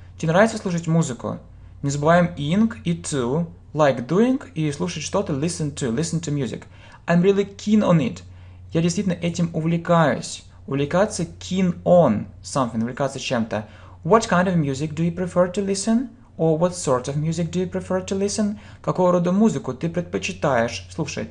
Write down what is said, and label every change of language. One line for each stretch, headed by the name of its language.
Russian: Тебе нравится слушать музыку? Не забываем ing и to,
English: like doing
Russian: и слушать что-то,
English: listen to music. I'm really keen on it.
Russian: Я действительно этим увлекаюсь. Увлекаться
English: keen on something,
Russian: увлекаться чем-то.
English: What kind of music do you prefer to listen? Or what sort of music do you prefer to listen?
Russian: Какого рода музыку ты предпочитаешь слушать?